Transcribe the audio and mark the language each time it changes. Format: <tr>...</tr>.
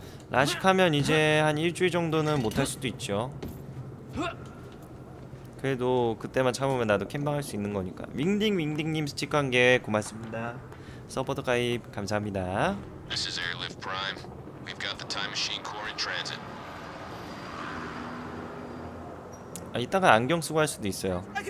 <ko>라식하면 이제 한 일주일 정도는 못할 수도 있죠. 그래도 그때만 참으면 나도 캠방할 수 있는 거니까. 윙딩 윙딩님 스티커 한 개 고맙습니다. 서포터 가입 감사합니다.</ko> <en>This is Airlift Prime. We've got the time machine core in transit.</en> <ko>아, 이따가 안경 쓰고 할 수도 있어요.</ko>